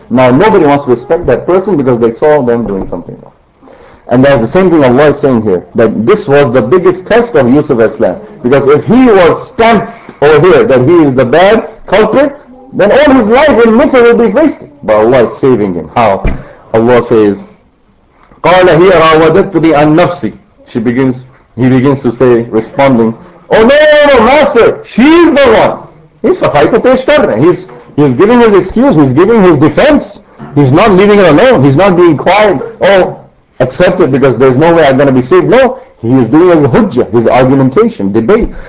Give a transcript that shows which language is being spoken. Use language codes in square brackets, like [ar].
[en] Now nobody wants to respect that person because they saw them doing something wrong. And that's the same thing Allah is saying here, that this was the biggest test of Yusuf Islam. Because if he was stamped over here that he is the bad culprit, then all his life in Misr will be wasted. But Allah is saving him. How? Allah says, [ar] قَالَ هِيَ رَاوَدَتْتُنِي عَنْ نَفْسِي. [en] He begins to say, responding, Oh no, master, she is the one. He's a fight to take. He's giving his excuse, he's giving his defense. He's not leaving it alone. He's not being quiet. Oh, accept it because there's no way I'm going to be saved. No, he is doing his hujjah, his argumentation, debate.